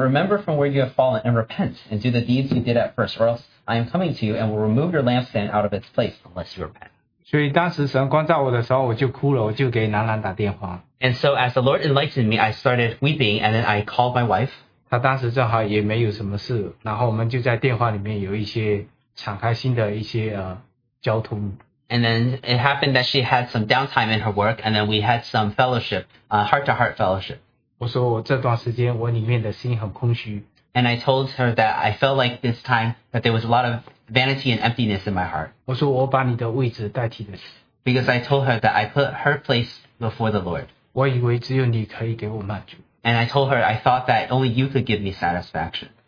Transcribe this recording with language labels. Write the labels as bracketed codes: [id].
[en] remember from where you have fallen and repent and do the deeds you did at first, or else I am coming to you and will remove your lampstand out of its place unless you repent. [zh] 所以当时神光照我的时候,我就哭了,我就给楠楠打电话。 [en] And so as the Lord enlightened me, I started weeping and then I called my wife. [zh] 她当时正好也没有什么事,然后我们就在电话里面有一些敞开心的一些交通。 [en] And then it happened that she had some downtime in her work and then we had some fellowship, heart-to-heart fellowship. [zh] 我说我这段时间我里面的心很空虚。 [en] And I told her that I felt like this time that there was a lot of vanity and emptiness in my heart. [zh] 我说我把你的位置代替了。 [en] Because I told her that I put her place before the Lord. [zh] 我以为只有你可以给我满足。 [en] And I told her I thought that only you could give me satisfaction.